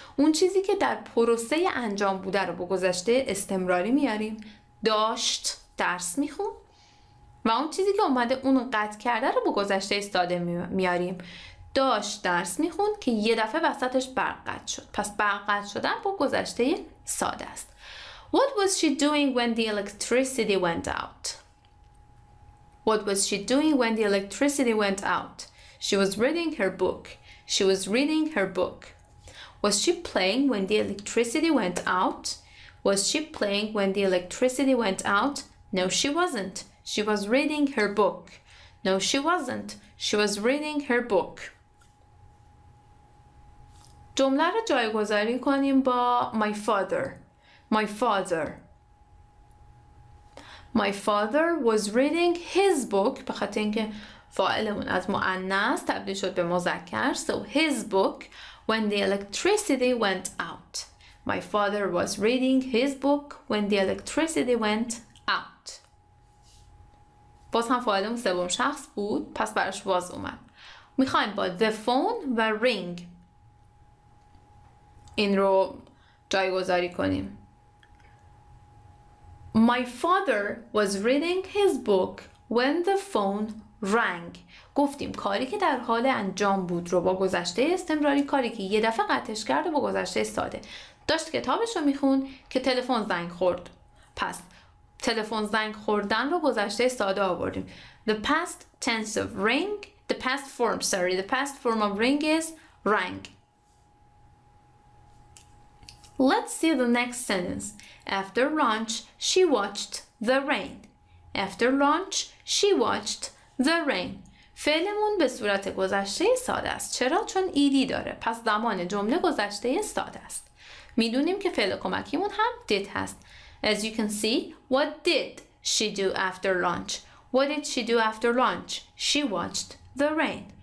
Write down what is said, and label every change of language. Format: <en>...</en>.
<fa>اون چیزی که در پروسه انجام بوده رو با گذشته استمراری میاریم، داشت درس میخون. و اون چیزی که اومده اون رو قطع کرده رو با گذشته ساده میاریم، داشت درس میخوند که یه دفعه وسطش برق قطع شد. پس برق قطع شدن با گذشته ساده است.</fa> <en>What was she doing when the electricity went out? What was she doing when the electricity went out? She was reading her book. She was reading her book. Was she playing when the electricity went out? Was she playing when the electricity went out? No, she wasn't. She was reading her book. No, she wasn't. She was reading her book.</en> <fa>جمله رو جایگذاری کنیم با</fa> <en>my father. My father. My father was reading his book.</en> <fa>به خاطر اینکه فاعلمون از مؤنث تبدیل شد به مذکر.</fa> <en>So his book when the electricity went out. My father was reading his book when the electricity went out.</en> <fa>باز هم فاعلم سوم شخص بود، پس براش باز اومد. میخوایم با</fa> <en>the phone</en> <fa>و ring این رو جایگذاری کنیم.</fa> <en>My father was reading his book when the phone rang.</en> <fa>گفتیم کاری که در حال انجام بود رو با گذشته استمراری، کاری که یه دفعه قطعش کرد و با گذشته ساده. داشت کتابش رو میخوند که تلفن زنگ خورد. پس تلفن زنگ خوردن رو گذشته ساده آوردیم.</fa> <en>The past tense of ring, the past form of ring is rang. Let's see the next sentence. After lunch, she watched the rain. After lunch, she watched the rain.</en> <fa>فعلمون به صورت گذشته ساده است. چرا؟ چون ایدی داره. پس زمان جمله گذشته ساده است. میدونیم که فعل کمکیمون هم did هست.</fa> <en>As you can see, what did she do after lunch? What did she do after lunch? She watched the rain.</en>